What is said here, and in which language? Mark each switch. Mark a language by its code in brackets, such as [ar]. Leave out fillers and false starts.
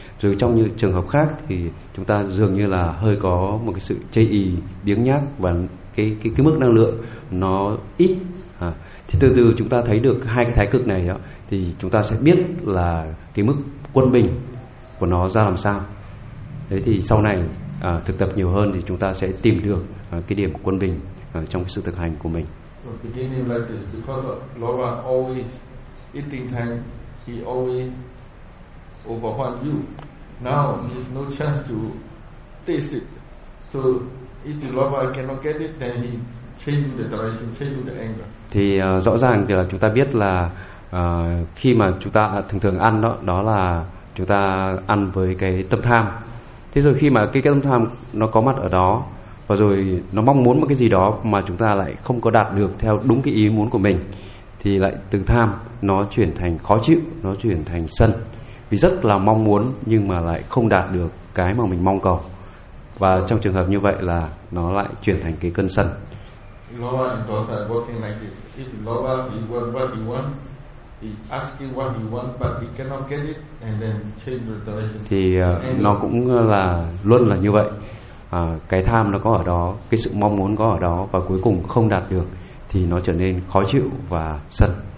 [vi] Rồi trong những trường hợp khác thì chúng ta dường như là hơi có một cái sự chây ý, biếng nhác và cái mức năng lượng nó ít. Thì từ từ chúng ta thấy được hai cái thái cực này đó, thì chúng ta sẽ biết là cái mức quân bình của nó ra làm sao. Thế thì sau này thực tập nhiều hơn thì chúng ta sẽ tìm được cái điểm quân bình trong cái sự thực hành của mình. [en] So beginning like this, because Lova always eating time, he always overwhelm you. Now there's no chance to taste it. So if Lova cannot get it, then he change the direction, change the anger. [vi] Thì rõ ràng thì là chúng ta biết là khi mà chúng ta thường thường ăn đó, đó là chúng ta ăn với cái tâm tham. Thế rồi khi mà cái tâm tham nó có mặt ở đó và rồi nó mong muốn một cái gì đó mà chúng ta lại không có đạt được theo đúng cái ý muốn của mình, thì lại từ tham nó chuyển thành khó chịu, nó chuyển thành sân, vì rất là mong muốn nhưng mà lại không đạt được cái mà mình mong cầu. Và trong trường hợp như vậy là nó lại chuyển thành cái cơn sân. [en] Lover and dosa are working like this. If lover he wants what he wants, he asking what he wants but he cannot get it, and then change the direction. [vi] Thì nó cũng là luôn là như vậy. Cái tham nó có ở đó, cái sự mong muốn có ở đó và cuối cùng không đạt được thì nó trở nên khó chịu và sân.